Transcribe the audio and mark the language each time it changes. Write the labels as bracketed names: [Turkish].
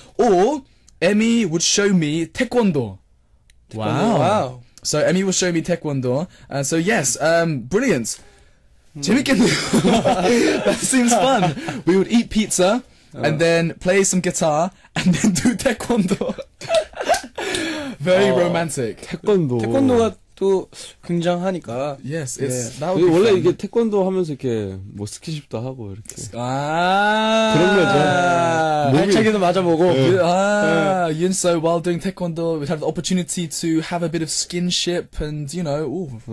[English] Or Emmy would show me taekwondo. Wow. So Emmy will show me taekwondo. So yes. Brilliant. [Korean] 재밌겠네요. [English] That seems fun. We would eat pizza and then play some guitar and then do taekwondo. Very romantic. [Korean] 태권도. 태권도가 또 굉장하니까. [English] Yes, it's. Yeah. [Korean] 그 원래 이게 태권도 하면서 이렇게 뭐 스킨십도 하고 이렇게. 아. 그런 거죠. 발차기도 맞아보고. [English] Yeah. [Korean] 아. [English] Yeah. Yun, so while doing taekwondo, we have the opportunity to have a bit of skinship and you know.